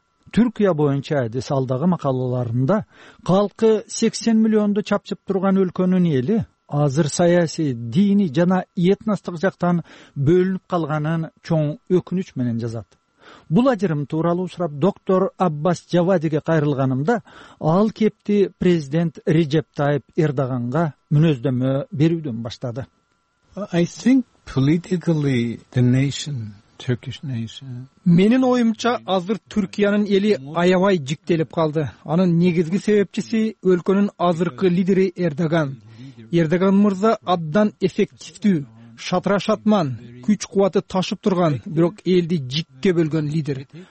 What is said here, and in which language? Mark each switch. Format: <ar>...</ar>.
<ky>Түркия боюнча адис алдагы макалаларында калкы 80 миллионду чапчып турган өлкөнүн эли азыр саясий, диний жана этностук жактан бөлүнүп калганын чоң өкүнүч менен жазат. Бул ажырым тууралуу сурап доктор Аббас Жавадиге кайрылганымда, ал кепти президент Режеп Тайип Эрдоганга мүнөздөмө берүүдөн баштады.</ky> <en>I think politically the nation, Turkish nation.</en> <ky>Менин оюмча азыр Түркиянын эли аябай жиктелип калды. Анын негизги себепчиси өлкөнүн азыркы лидери Эрдоган. Эрдоган мырза абдан эффективдүү, шатрашатман, күч кубаты ташып турган, бирок элди жикке бөлгөн лидер.</ky>